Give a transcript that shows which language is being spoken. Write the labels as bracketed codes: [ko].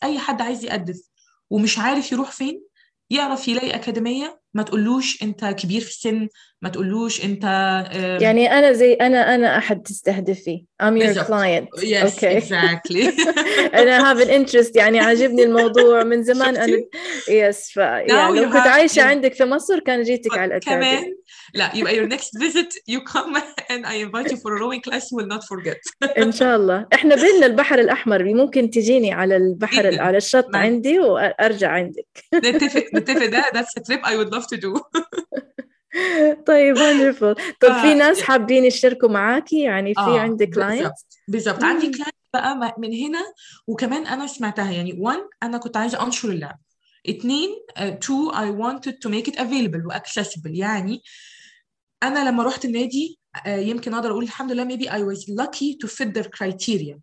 [ar] أي حد عايز يقدف ومش عارف يروح فين يعرف يلاقي أكاديمية, ما تقولوش أنت كبير في السن, ما تقولوش أنت يعني أنا زي أنا أحد تستهدفي. [en] I'm your client. Yes, okay. Exactly. [ar] أنا [en] have an interest, [ar] يعني عجبني الموضوع من زمان. أنا yes, يعني لو كنت عايشة عندك في مصر كان جيتك على الأكاديمية. لا, يبقى [en] your next visit you come and I invite you for a rowing class, you will not forget. [ar] إن شاء الله. إحنا بيننا البحر الأحمر, ممكن تجيني على البحر على الشط عندي وأرجع عندك. نتفق ده, [en] that's a trip I would love to do. [ar] طيب [en] wonderful. [ar] طيب في ناس حابين يشتركوا معاكي؟ يعني في عندي client بالضبط. عندي client بقى من هنا, وكمان أنا سمعتها يعني one أنا كنت عايزة أنشر اللعب, اتنين two [en] I wanted to make it available and accessible. [ar] يعني أنا لما روحت النادي يمكن أقدر أقول الحمد لله [en] maybe I was lucky to fit their criteria.